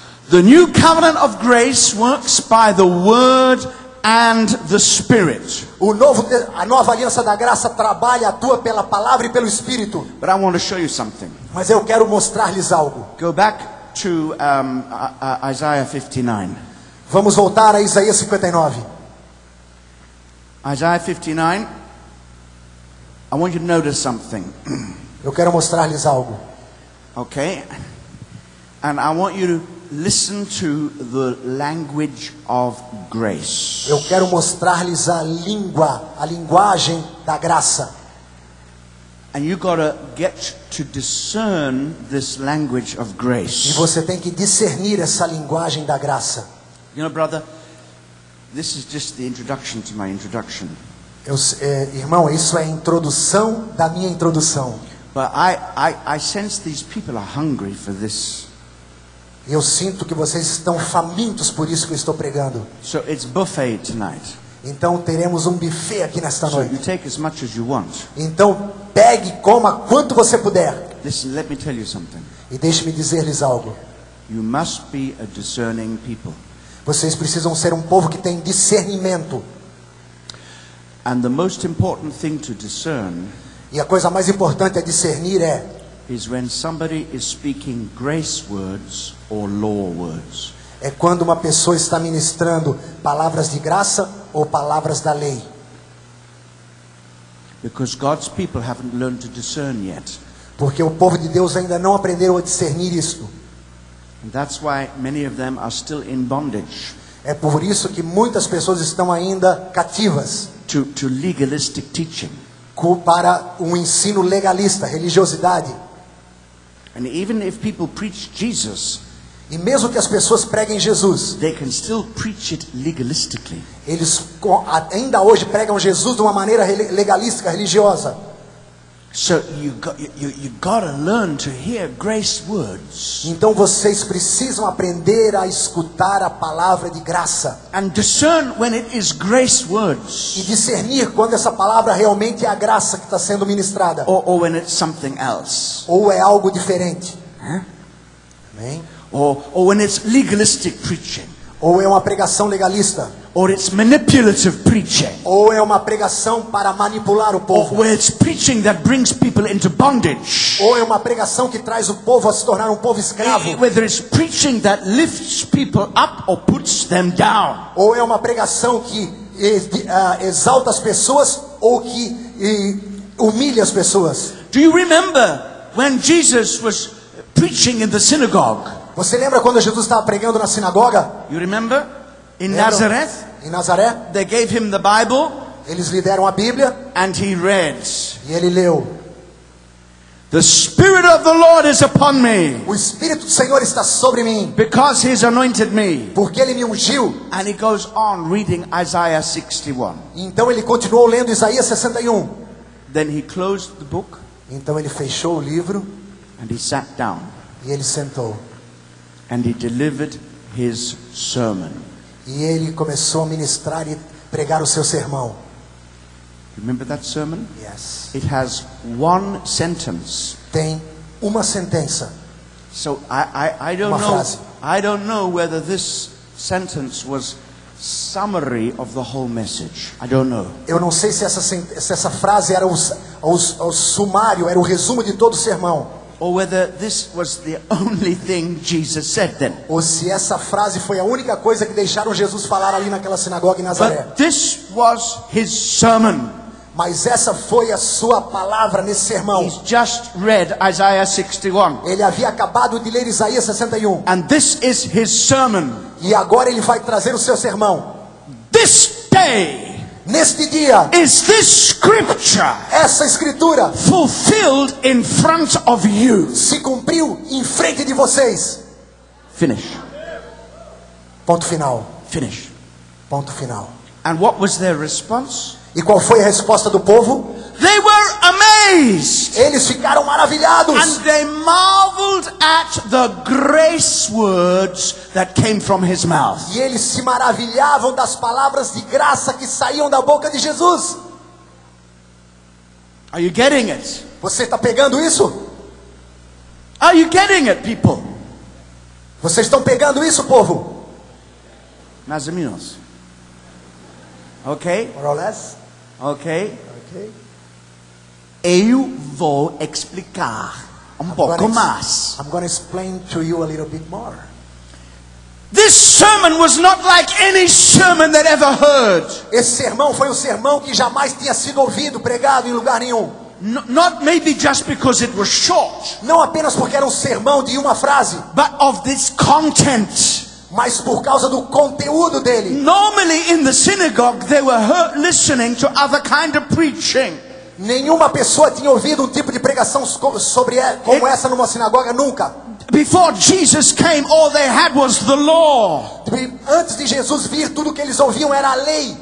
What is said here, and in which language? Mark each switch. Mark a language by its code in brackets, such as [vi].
[en] The new covenant of grace works by the word and the spirit. [pt] A nova aliança da graça trabalha, atua pela palavra e pelo espírito. [en] But I want to show you something. [pt] Mas eu quero mostrar-lhes algo. [en] Go back to Isaiah 59. [pt] Vamos voltar a Isaías 59. [en] Isaiah 59. I want you to notice something. [pt] Eu quero mostrar-lhes algo. [en] Okay. And I want you to listen to the language of grace. [pt] Eu quero mostrar-lhes a língua, a linguagem da graça. [en] And you got to get to discern this language of grace. [pt] E você tem que discernir essa linguagem da graça. [en] You know, brother, This is just the introduction to my introduction. [pt] Irmão, isso é a introdução da minha introdução. [en] But I sense these people are hungry for this. [pt] Eu sinto que vocês estão famintos por isso que eu estou pregando. [en] So it's buffet tonight. [pt] Então teremos um buffet aqui nesta [en] so [pt] noite. [en] You take as much as you want. [pt] Então pegue, coma quanto você puder. [en] Listen, let me tell you something. [pt] E deixe-me dizer-lhes algo. [en] You must be a discerning people. [pt] Vocês precisam ser um povo que tem discernimento. [en] And the most important thing to discern, [pt] e a coisa mais importante a discernir é [en] is when somebody is speaking grace words or law words. [pt] É quando uma pessoa está ministrando palavras de graça ou palavras da lei. [en] Because God's people haven't learned to discern yet. [pt] Porque o povo de Deus ainda não aprendeu a discernir isto. [en] And that's why many of them are still in bondage. [pt] É por isso que muitas pessoas estão ainda cativas [en] to legalistic teaching. [pt] Para um ensino legalista, religiosidade. [en] And even if people preach Jesus, [pt] e mesmo que as pessoas preguem Jesus, [en] they can still preach it legalistically. [pt] Eles ainda hoje pregam Jesus de uma maneira legalística, religiosa. [en] So you gotta learn to hear grace words. [pt] Então vocês precisam aprender a escutar a palavra de graça. [en] And discern when it is grace words. [pt] E discernir quando essa palavra realmente é a graça que está sendo ministrada. [en] Or when it's something else. [pt] Ou é algo diferente. Huh? Amém? [en] Or when it's legalistic preaching. [pt] Ou é uma pregação legalista. [en] Or it's manipulative preaching. [pt] Ou é uma pregação para manipular o povo. [en] Or it's preaching that brings people into bondage. [pt] Ou é uma pregação que traz o povo a se tornar um povo escravo. [en] Whether it's preaching that lifts people up or puts them down. [pt] Ou é uma pregação que exalta as pessoas ou que humilha as pessoas. [en] Do you remember when Jesus was preaching in the synagogue? [pt] Você lembra quando Jesus estava pregando na sinagoga? [en] You remember? In Nazareth, [pt] em Nazaré, [en] they gave him the Bible, [pt] eles lhe deram a Bíblia, [en] and he read, [pt] e ele leu, [en] the Spirit of the Lord is upon me, [pt] o Espírito do Senhor está sobre mim, [en] because he's anointed me, [pt] porque ele me ungiu, [en] and he goes on reading Isaiah 61. [pt] Então ele continuou lendo Isaías 61. [en] Then he closed the book, [pt] então ele fechou o livro, [en] and he sat down, [pt] e ele sentou, [en] and he delivered his sermon. [pt] E ele começou a ministrar e pregar o seu sermão. [en] Remember that sermon? Yes. It has one sentence. [pt] Tem uma sentença. [en] So I don't [pt] uma [en] know. [pt] Frase. [en] I don't know whether this sentence was summary of the whole message. I don't know. [pt] Eu não sei se essa frase era o sumário, era o resumo de todo o sermão. [en] Or whether this was the only thing Jesus said then. [pt] Ou se essa frase foi a única coisa que deixaram Jesus falar ali naquela sinagoga em Nazaré. [en] But this was his sermon. [pt] Mas essa foi a sua palavra nesse sermão. [en] He's just read Isaiah 61. [pt] Ele havia acabado de ler Isaías 61. [en] And this is his sermon. [pt] E agora ele vai trazer o seu sermão. [en] This day. [pt] Neste dia, [en] is this scripture [pt] essa escritura [en] fulfilled in front of you? [pt] Se cumpriu em frente de vocês. [en] Finish. [pt] Ponto final. [en] Finish. [pt] Ponto final. [en] And what was their response? [pt] E qual foi a resposta do povo? [en] They were amazed. [pt] Eles ficaram maravilhados. [en] And they marveled at the grace words that came from his mouth. [pt] E eles se maravilhavam das palavras de graça que saíam da boca de Jesus. [en] Are you getting it? [pt] Você está pegando isso? [en] Are you getting it, people? [pt] Vocês estão pegando isso, povo? Mais ou menos. Okay. [en] More or less. Okay. Okay. [pt] Eu vou explicar um pouco mais. [en] I'm going to explain to you a little bit more. This sermon was not like any sermon that ever heard. [pt] Esse sermão foi um sermão que jamais tinha sido ouvido, pregado em lugar nenhum. [en] Not maybe just because it was short. [pt] Não apenas porque era um sermão de uma frase. [en] But of this content. [pt] Mas por causa do conteúdo dele. [en] Normally in the synagogue they were listening to other kind of preaching. [pt] Nenhuma pessoa tinha ouvido um tipo de pregação sobre como essa numa sinagoga nunca. [en] Before Jesus came, all they had was the law. [pt] Antes de Jesus vir, tudo que eles ouviam era a lei.